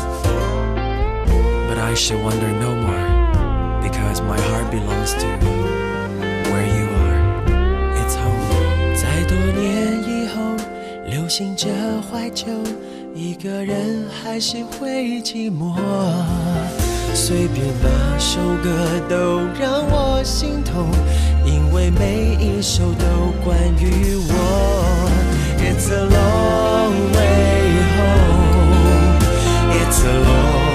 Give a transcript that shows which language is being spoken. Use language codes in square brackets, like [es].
[en] I should wonder no more, because my heart belongs to where you are. It's home. [zh] 再多年以后，流行着怀旧，一个人还是会寂寞。随便哪首歌都让我心痛，因为每一首都关于我。 [en] It's a long way home. It's a long.